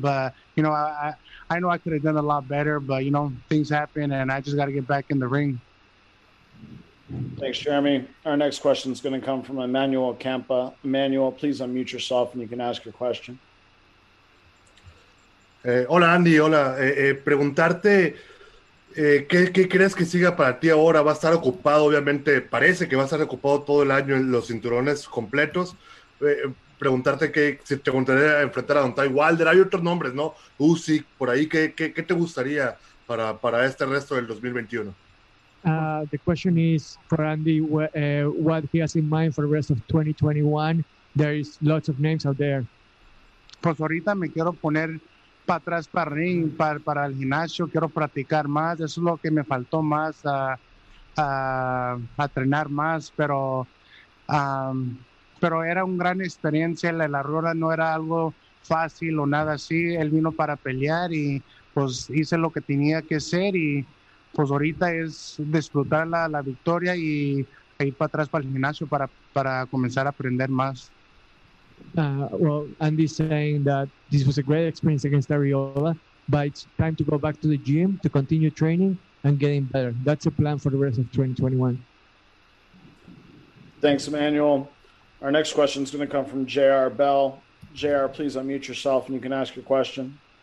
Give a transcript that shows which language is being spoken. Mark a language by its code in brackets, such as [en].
[en] But, you know, I know I could have done a lot better, but, you know, things happen and I just got to get back in the ring. Thanks, Jeremy. Our next question is going to come from Emmanuel Campa. Emmanuel, please unmute yourself and you can ask your question. [es] Hola, Andy. Hola. Preguntarte qué crees que siga para ti ahora. Va a estar ocupado, obviamente. Parece que va a estar ocupado todo el año en los cinturones completos. Preguntarte que si te gustaría enfrentar a Don Ty Wilder. Hay otros nombres, ¿no? Usyk, por ahí. ¿Qué te gustaría para este resto del 2021? [en] The question is for Andy, what he has in mind for the rest of 2021. There is lots of names out there. [es] Pues ahorita me quiero poner para atrás para ring, para el gimnasio. Quiero practicar más. Eso es lo que me faltó más, a entrenar más. Pero era una gran experiencia. La Arreola no era algo fácil o nada así. Él vino para pelear y pues hice lo que tenía que hacer y pues ahorita es disfrutar la victoria y ir para atrás para el gimnasio para comenzar a aprender más. [en] Well, Andy's saying that this was a great experience against Arreola, but it's time to go back to the gym to continue training and getting better. That's a plan for the rest of 2021. Thanks, Emmanuel. Our next question is going to come from JR Bell. JR, please unmute yourself and you can ask your question.